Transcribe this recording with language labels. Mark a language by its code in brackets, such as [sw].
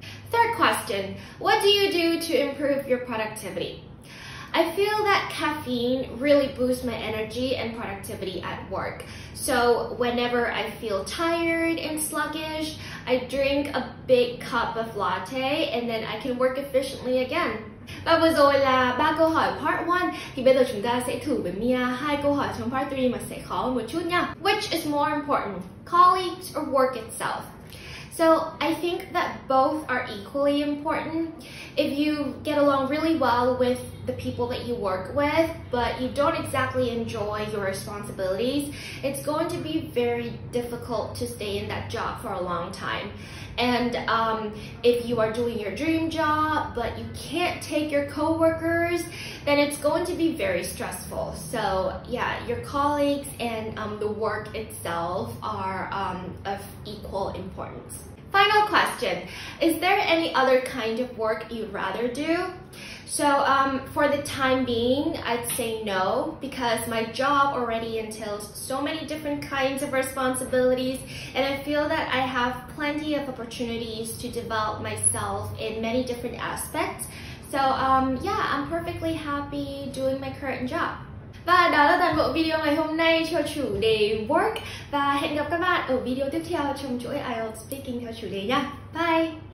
[en] Third question, what do you do to improve your productivity? I feel that caffeine really boosts my energy and productivity at work. So whenever I feel tired and sluggish, I drink a big cup of latte and then I can work efficiently again. [vi] Và vừa rồi là 3 câu hỏi part 1. Thì bây giờ chúng ta sẽ thử với Mia 2 câu hỏi trong part 3 mà sẽ khó hơn một chút nha. [en] Which is more important, colleagues or work itself? So I think that both are equally important. If you get along really well with the people that you work with, but you don't exactly enjoy your responsibilities, it's going to be very difficult to stay in that job for a long time. And if you are doing your dream job, but you can't take your coworkers, then it's going to be very stressful. So yeah, your colleagues and the work itself are of equal importance. Final question, is there any other kind of work you'd rather do? So for the time being, I'd say no, because my job already entails so many different kinds of responsibilities, and I feel that I have plenty of opportunities to develop myself in many different aspects. So yeah, I'm perfectly happy doing my current job. [vi] Và đó là toàn bộ video ngày hôm nay cho chủ đề work. Và hẹn gặp các bạn ở video tiếp theo trong chuỗi IELTS Speaking theo chủ đề nha. [en] Bye!